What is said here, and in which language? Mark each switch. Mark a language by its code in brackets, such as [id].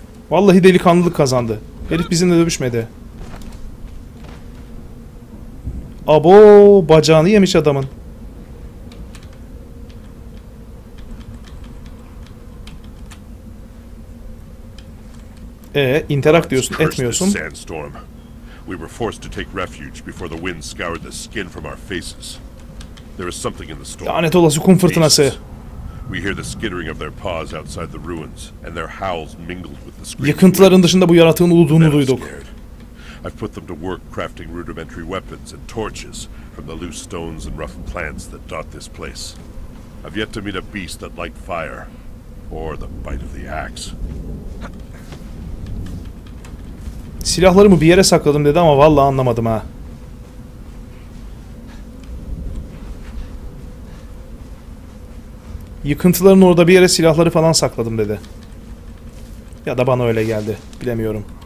[tr] Vallahi delikanlılık kazandı. Herif bizimle dövüşmedi. Abo, bacağını yemiş adamın. Interact diyorsun, etmiyorsun. [en] We were forced to take refuge before the wind scoured the skin from our faces. There is something in the storm. [tr] Lanet olası kum fırtınası. [en] We hear the skittering of their paws outside the ruins and their howls mingled with the screams. [tr] Yıkıntıların dışında bu yaratığın uluduğunu duyduk. [en] I've put them to work crafting rudimentary weapons and torches from the loose stones and rough plants that dot this place. I've yet to meet a beast that liked fire or the bite of the axe. [tr] Silahlarımı bir yere sakladım dedi ama vallahi anlamadım ha. Yıkıntıların orada bir yere silahları falan sakladım dedi. Ya da bana öyle geldi. Bilemiyorum.